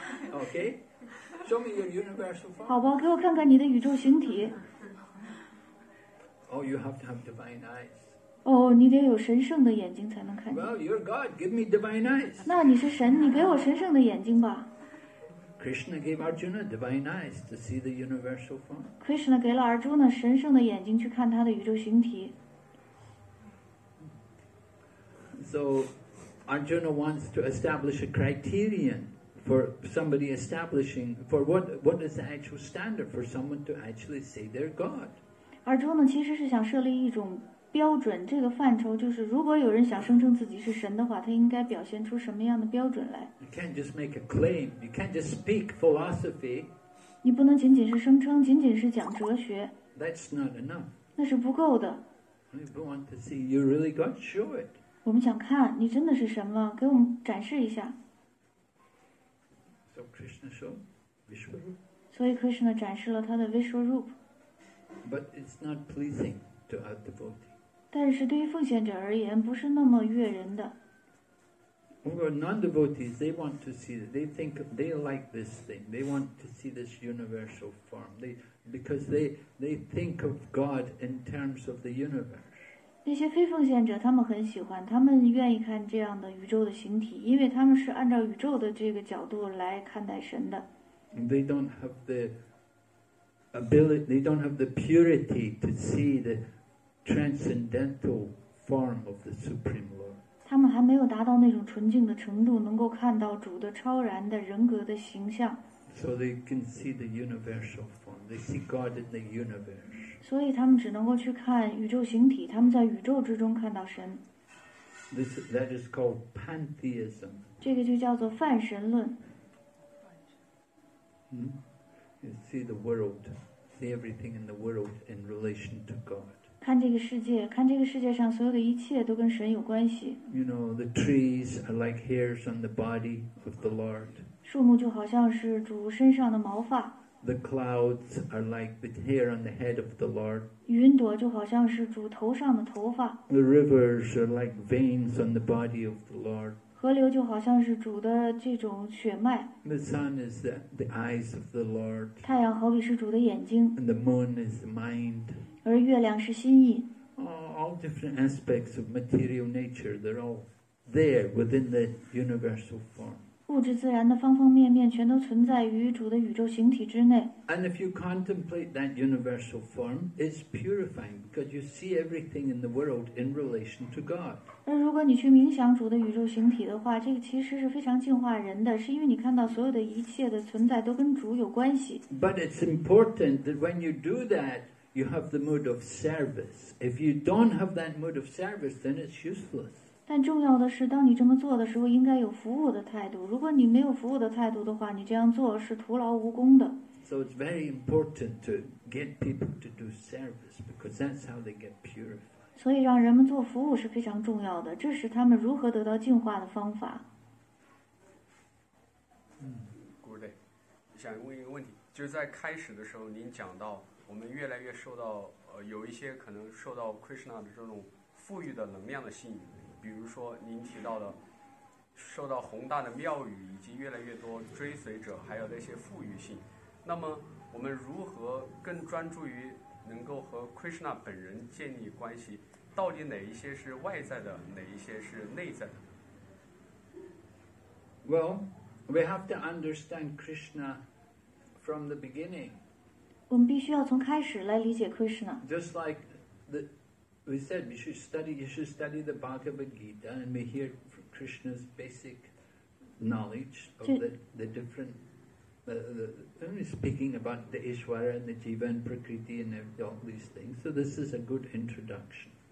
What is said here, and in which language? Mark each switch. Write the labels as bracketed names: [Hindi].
[English] Okay. Show me your universal form. [Chinese] 好吧，给我看看你的宇宙形体。 [English] Oh, you have to have divine eyes. [Chinese] 哦，你得有神圣的眼睛才能看见。 [English] Well, you're God. Give me divine eyes. [Chinese] 那你是神，你给我神圣的眼睛吧。 [English] Krishna gave Arjuna divine eyes to see the universal form. [Chinese] Krishna 给了 Arjuna 神圣的眼睛去看他的宇宙形体。 [English] So, Arjuna wants to establish a criterion for somebody establishing, for what is the actual standard for someone to actually say they're God. [Chinese] Arjuna 其实是想设立一种标准，这个范畴就是如果有人想声称自己是神的话，他应该表现出什么样的标准来。 [English] You can't just make a claim. You can't just speak philosophy. [Chinese] 你不能仅仅是声称，仅仅是讲哲学。 [English] That's not enough. [Chinese] 那是不够的。 [English] People want to see you really God, show it. [Chinese] 我们想看你真的是什么，给我们展示一下。 [English] So Krishna showed Vishwarupa. [Chinese] 所以 Krishna 展示了他的 Vishwarupa. [English] But it's not pleasing to a devotee. [Chinese] 但是对于奉献者而言，不是那么悦人的。 [English] Well, non-devotees, they want to see that. They think they like this thing. They want to see this universal form. Because they think of God in terms of the universe. [Chinese] 那些非奉献者他们很喜欢，他们愿意看这样的宇宙的形体，因为他们是按照宇宙的这个角度来看待神的。 [English] They don't have the ability, they don't have the purity to see the transcendental form of the Supreme Lord. [Chinese] 他们还没有达到那种纯净的程度，能够看到主的超然的人格的形象。 [English] So they can see the universal form. They see God in the universe. [Chinese] 所以他们只能够去看宇宙形体，他们在宇宙之中看到神。 [English] That is called pantheism. [Chinese] 这个就叫做泛神论。 [English] You see the world, see everything in the world in relation to God. [Chinese] 看这个世界，看这个世界上所有的一切都跟神有关系。 [English] You know, the trees are like hairs on the body of the Lord. [Chinese] 树木就好像是主身上的毛发。 [English] The clouds are like the hair on the head of the Lord. [Chinese] 云朵就好像是主头上的头发。 [English] The rivers are like veins on the body of the Lord. [Chinese] 河流就好像是主的这种血脉。 [English] The sun is the eyes of the Lord. [Chinese] 太阳好比是主的眼睛。 [English] And the moon is the mind. [Chinese] 而月亮是心意。 [English] All different aspects of material nature, they're all there within the universal form. [Chinese] 物质自然的方方面面全都存在于主的宇宙形体之内。 [English] And if you contemplate that universal form, it's purifying because you see everything in the world in relation to God. [Chinese] 那如果你去冥想主的宇宙形体的话，这个其实是非常净化人的，是因为你看到所有的一切的存在都跟主有关系。 [English] But it's important that when you do that, you have the mood of service. If you don't have that mood of service, then it's useless. [Chinese] 但重要的是当你这么做的时候应该有服务的态度，如果你没有服务的态度的话，你这样做是徒劳无功的。 [English] So it's very important to get people to do service because that's how they get purified. [Chinese] 所以让人们做服务是非常重要的，这是他们如何得到净化的方法。 Gurude, 想问一个问题，就是在开始的时候您讲到我们越来越受到有一些可能受到 Krishna 的这种富裕的能量的吸引，比如说您提到的受到宏大的庙宇以及越来越多追随者还有那些富裕性，那么我们如何更专注于能够和 Krishna 本人建立关系，到底哪一些是外在的，哪一些是内在的？ [English] Well, we have to understand Krishna from the beginning. [Chinese] 我们必须要从开始来理解 Krishna. [English] Just like theWe said you should study the Bhagavad Gita and we hear from Krishna's basic knowledge of the different, only speaking about the Ishvara and the Jiva and Prakriti and all these things. So this is a good introduction.